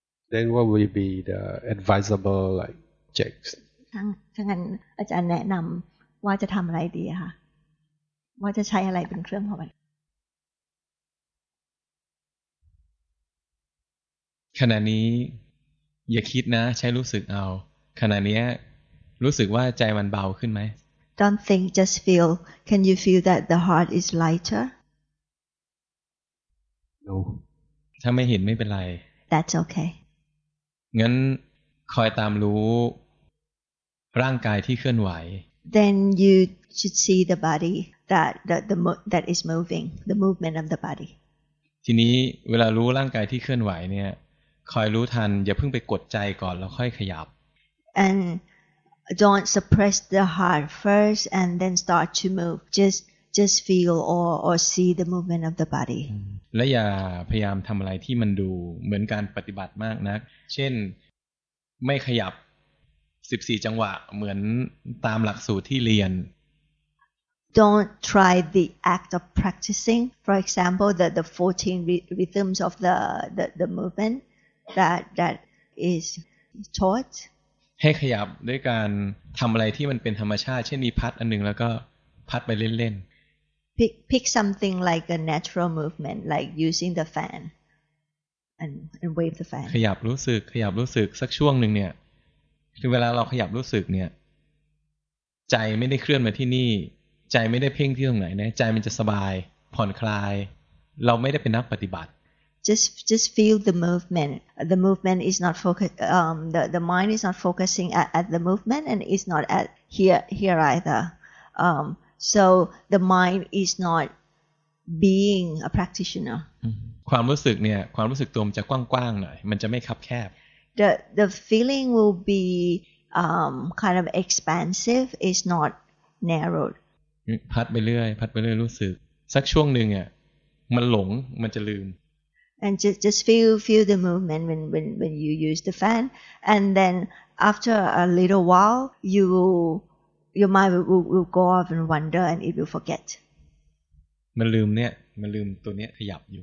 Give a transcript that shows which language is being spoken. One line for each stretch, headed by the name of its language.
English: Then what would be the advisable like checks?
Thai: ถ้างั้นอาจารย์แนะนำว่าจะทำอะไรดีค่ะว่าจะใช้อะไรเป็นเครื่องของมัน ขณะนี้อย่าคิดนะใช้รู้สึกเอาขณะนี้รู้สึกว่าใจมันเบาขึ้นไหม
English: Don't think, just feel. Can you feel that the heart is lighter? No.
Thai: ถ้าไม่เห็นไม่เป็นไร
English: That's okay.
Thai: งั้นคอยตามรู้ร่างกายที่เคลื่อนไหว
English: Then you should see the body that is moving the movement of the body
Thai: ทีนี้เวลารู้ร่างกายที่เคลื่อนไหวเนี่ยคอยรู้ทันอย่าเพิ่งไปกดใจก่อนแล้วค่อยขยับ
English: And don't suppress the heart first and then start to move just feel or see the movement of the body
Thai: และอย่าพยายามทำอะไรที่มันดูเหมือนการปฏิบัติมากนักเช่นไม่ขยับ14จังหวะเหมือนตามหลักสูตรที่เรียน
English: don't try the act of practicing. For example, the 14 rhythms of the movement that is taught.
Thai: ให้ขยับด้วยการทำอะไรที่มันเป็นธรรมชาติเช่นมีพัดอันหนึ่งแล้วก็พัดไปเล่น
English: ๆ pick something like a natural movement like using the fan and wave the fan
Thai: ขยับรู้สึกขยับรู้สึกสักช่วงหนึ่งเนี่ยคือเวลาเราขยับรู้สึกเนี่ยใจไม่ได้เคลื่อนมาที่นี่ใจไม่ได้เพ่งที่ตรงไหนนะใจมันจะสบายผ่อนคลายเราไม่ได้เป็นนักปฏิบัติ
English: Just feel the movement. The movement is not focused. The mind is not focusing at the movement, and it's not at here either. So the mind is not being a practitioner.
Thai: ความรู้สึกเนี่ยความรู้สึกตัวมันจะกว้างๆหน่อยมันจะไม่คับแคบ
English: The feeling will be kind of expansive. It's not narrowed.
Thai: พัดไปเรื่อยพัดไปเรื่อยรู้สึกสักช่วงหนึ่งอ่ะมันหลงมันจะลืม
English: And just feel the movement when you use the fan, and then after a little while, your mind will go off and wander, and it will forget.
Thai: มันลืมเนี่ยมันลืมตัวเนี้ยขยับอยู